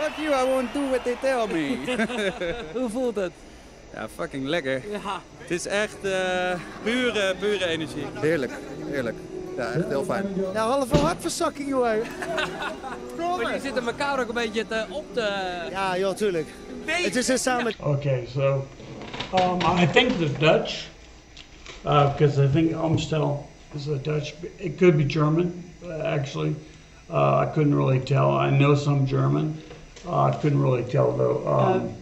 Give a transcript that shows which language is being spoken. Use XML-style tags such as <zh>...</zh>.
<en>I won't do what they tell me.</en> <nl>Hoe voelt het? Ja, fucking lekker. Ja. Het is echt pure energie. Heerlijk, heerlijk. Ja, echt heel fijn. Ja, halve hartverzakking, jongen. Maar die zitten elkaar ook een beetje te op te... Ja, joh, tuurlijk. Het is er samen.</nl> <en>Oké, so, I think the Dutch, because I think Amstel is a Dutch, it could be German, actually. I couldn't really tell. I know some German. I couldn't really tell though.</en>